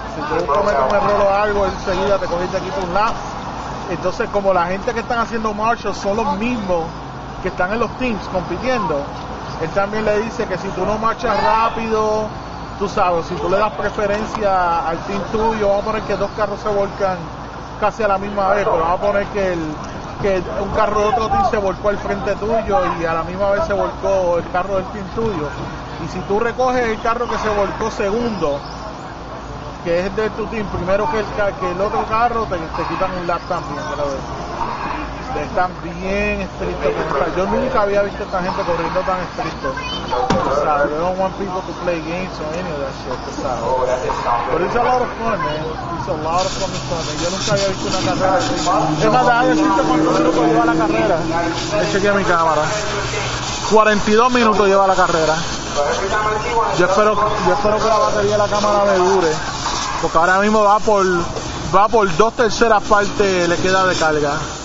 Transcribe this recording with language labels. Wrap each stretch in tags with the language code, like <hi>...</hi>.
<es>Si tú cometes un error o algo, enseguida te cogiste aquí tu lap. Entonces, como la gente que están haciendo marshals son los mismos que están en los teams compitiendo, él también le dice que si tú no marchas rápido, tú sabes, si tú le das preferencia al team tuyo, vamos a poner que dos carros se volcan casi a la misma vez, pero vamos a poner que un carro de otro team se volcó al frente tuyo y a la misma vez se volcó el carro del team tuyo. Y si tú recoges el carro que se volcó segundo, que es de tu team, primero que el otro carro, te quitan un lap también, brother. Están bien estrictos. Yo nunca había visto a esta gente corriendo tan estricto. O sea,</es> <en>they don't want people to play games or any of that shit,</en> <es>tú sabes. Pero</es> <en>it's a lot of fun, man. It's a lot of fun.</en> <es>Yo nunca había visto una carrera así. Es más, déjame decirte cuánto minuto lleva la carrera. Chequeé mi cámara. 42 minutos lleva la carrera. Yo espero que la batería de la cámara me dure. Porque ahora mismo va por dos terceras partes le queda de carga.</es>